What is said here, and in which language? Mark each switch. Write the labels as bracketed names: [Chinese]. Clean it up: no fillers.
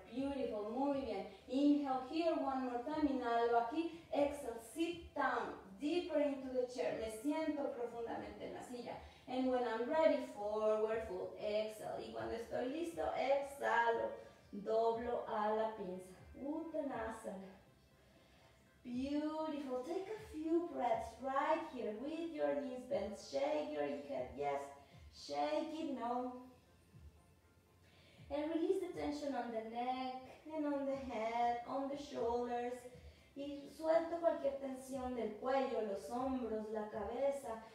[English] Beautiful, [Spanish] muy bien. [English] Inhale here one more time. [Spanish] Inhalo aquí. [English] Exhale, sit down. Deeper into the chair, [Spanish] me siento profundamente en la silla. [English] And when I'm ready, forward fold, exhale. [Spanish] Y cuando estoy listo, exhalo, doblo a la pinza. [Sanskrit] Uttanasana. [English] Beautiful, take a few breaths right here with your knees bent. Shake your head, yes, shake it, no. And release the tension on the neck and on the head, on the shoulders. [Spanish] Y suelto cualquier tensión del cuello, los hombros, la cabeza.